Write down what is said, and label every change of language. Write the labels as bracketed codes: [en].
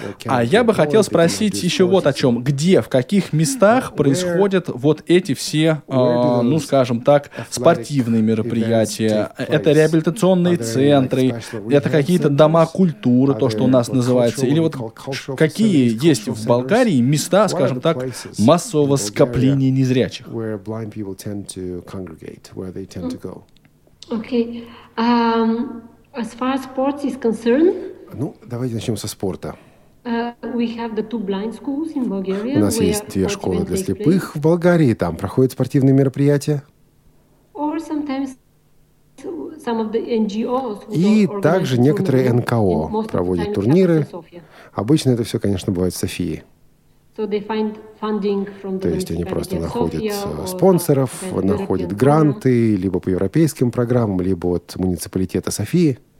[ru] А я бы хотел спросить еще вот о чем. Где, в каких местах происходят вот эти все, ну, скажем так, спортивные мероприятия? Это реабилитационные центры, это какие-то дома культуры, то, что у нас называется, или вот какие есть в Болгарии места, скажем так, массового скопления незрячих? [en] Where blind people tend to congregate, where they tend to go. Okay. As far as sports is concerned. [ru] Ну, давайте начнем со спорта. [en] We have the two blind schools in Bulgaria. [ru] У нас есть две школы для слепых в Болгарии, там проходят спортивные мероприятия. [en] Or sometimes some of the NGOs. [ru] И также некоторые НКО проводят турниры. Обычно это все, конечно, бывает в Софии. То есть они просто находят спонсоров, находят гранты либо по европейским программам, либо от муниципалитета Софии.